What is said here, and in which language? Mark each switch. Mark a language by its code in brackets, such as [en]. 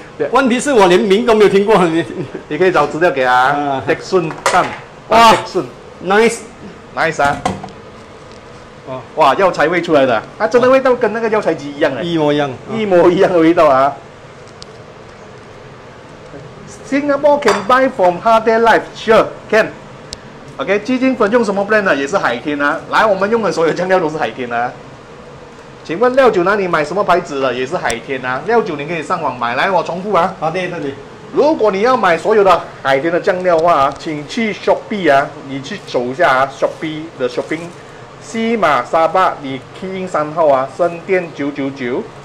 [zh] 问题是我连名都没有听过，你可以找资料给他。德顺蛋，哇，德顺 ，nice 啊！哇，药材味出来的，它、啊、真的味道跟那个药材鸡一样哎、欸，一模一样的味道啊！ [en] Singapore can buy from Harday Life, sure can. [zh] OK， 鸡精粉用什么 brand 呢？也是海天啊。来，我们用的所有酱料都是海天啊。请问料酒哪里买什么牌子的？也是海天啊。料酒你可以上网买。来，我重复啊。好的，这里。如果你要买所有的海天的酱料的话啊，请去 Shopee 啊，你去走一下啊 ，Shopee 的 shopping， 西马沙巴，你 key in 三号啊，深店999。